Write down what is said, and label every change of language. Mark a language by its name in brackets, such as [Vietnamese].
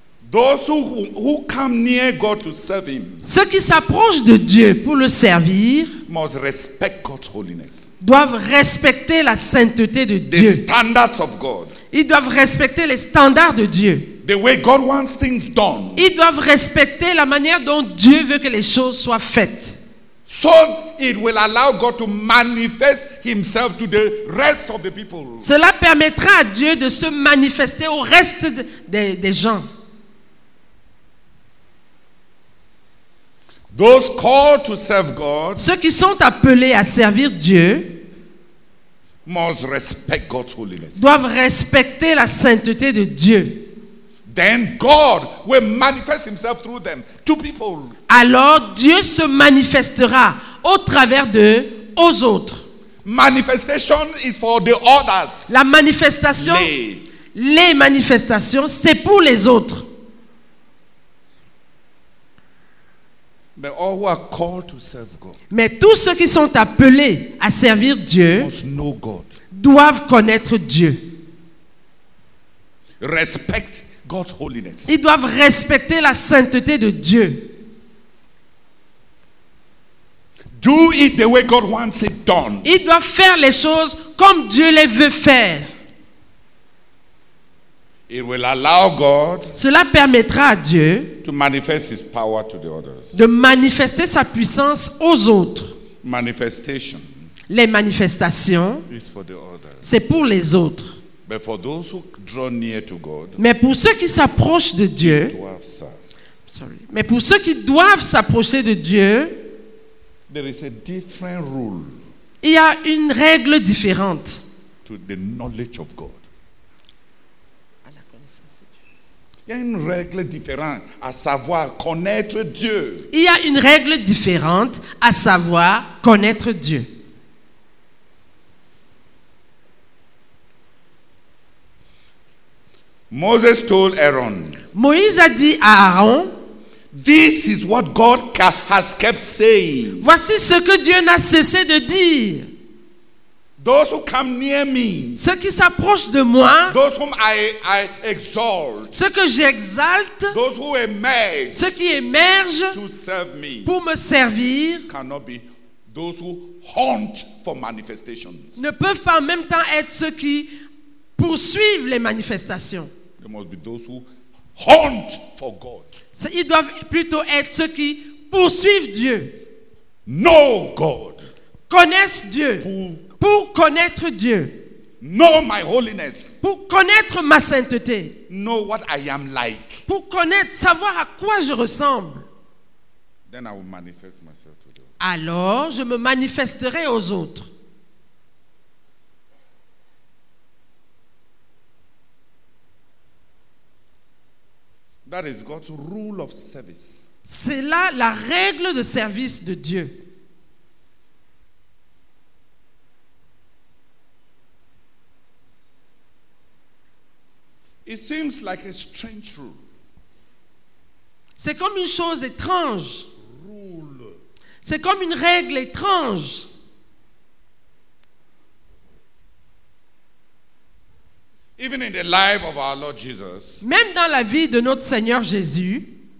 [English] Those who come near God to serve him, [French] ceux qui s'approchent de Dieu pour le servir [English] must respect God's holiness. [French] Doivent respecter la sainteté de [English] the [French] Dieu. [English] Standards of God. [French] Ils doivent respecter les standards de Dieu. [English] The way God wants things done. [French] Ils doivent respecter la manière dont Dieu veut que les choses soient faites. [English] So it will allow God to manifest himself to the rest of the people. [French] Cela permettra à Dieu de se manifester au reste des gens. [English] Those called to serve God, [French] ceux qui sont appelés à servir Dieu, [English] must respect God's holiness. [French] Doivent respecter la sainteté de Dieu. [English] Then God will manifest himself through them to people. [French] Alors Dieu se manifestera au travers d'eux aux autres. [English] Manifestation is for the others. [French] La manifestation, les manifestations, c'est pour les autres. [English] But all who are called to serve God, [French] mais tous ceux qui sont appelés à servir Dieu [English] must know God. [French] Doivent connaître Dieu. [English] Respect God's holiness. [French] Ils doivent respecter la sainteté de Dieu. [English] Do it the way God wants it done. [French] Ils doivent faire les choses comme Dieu les veut faire. [English] It will allow God. [French] Cela permettra à Dieu [English] to manifest his power to the others. [French] De manifester sa puissance aux autres. [English] Manifestation. [French] Les manifestations. [English] Is for the others. [French] C'est pour les autres. [English] But for those who draw near to God. [French] Mais pour ceux qui s'approchent de Dieu. Doivent ça. [English] Sorry. [French] Mais pour ceux qui doivent s'approcher de Dieu. [English] There is a different rule. [French] Il y a une règle différente. [English] To the knowledge of God. [French] Il y a une règle différente, à savoir connaître Dieu. Il y a une règle différente, à savoir connaître Dieu. [English] Moses told Aaron, [French] Moïse a dit à Aaron, [English] this is what God has kept saying. [French] Voici ce que Dieu n'a cessé de dire. [English] Those who come near me, [French] ceux qui s'approchent de moi, [English] those whom I exalt, [French] ceux que j'exalte, [English] those who emerge, [French] ceux qui émergent [English] to serve me, [French] pour me servir, [English] cannot be those who hunt for manifestations. [French] Ne peuvent pas en même temps être ceux qui poursuivent les manifestations. [English] They must be those who hunt for God. [French] Ils doivent plutôt être ceux qui poursuivent Dieu. [English] Know God. [French] Connaissent Dieu. Pour connaître Dieu. [English] Know my holiness. [French] Pour connaître ma sainteté. [English] Know what I am like. [French] Pour connaître, savoir à quoi je ressemble. [English] Then I will manifest myself to them. [French] Alors, je me manifesterai aux autres. [English] That is God's rule of service. [French] C'est là la règle de service de Dieu. [English] It seems like a strange rule. [French] C'est comme une chose étrange. [English] Rule. [French] C'est comme une règle étrange. [English] Even in the life of our Lord Jesus. [French] Même dans la vie de notre Seigneur Jésus.